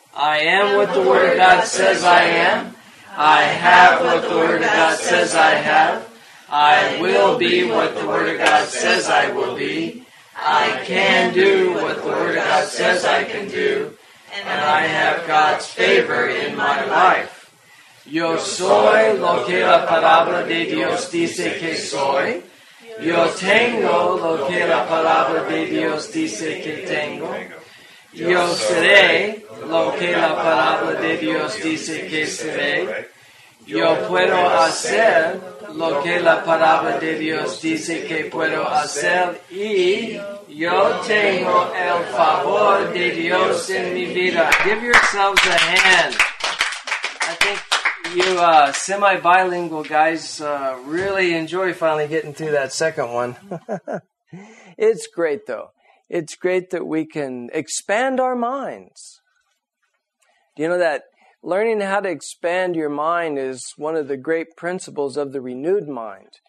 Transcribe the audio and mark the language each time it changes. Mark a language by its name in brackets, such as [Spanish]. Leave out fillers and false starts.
[English] I am what the Word of God says I am. I have what the Word of God says I have. I will be what the Word of God says I will be. I can do what the Word of God says I can do. And I have God's favor in my life. [Spanish] Yo soy lo que la palabra de Dios dice que soy. Yo tengo lo que la palabra de Dios dice que tengo. Yo seré lo que la palabra de Dios dice que seré. Yo puedo hacer lo que la palabra de Dios dice que puedo hacer. Y yo tengo el favor de Dios en mi vida. [English] Give yourselves a hand. I think you semi-bilingual guys really enjoy finally getting through that second one. It's great, though. It's great that we can expand our minds. Do you know that learning how to expand your mind is one of the great principles of the renewed mind?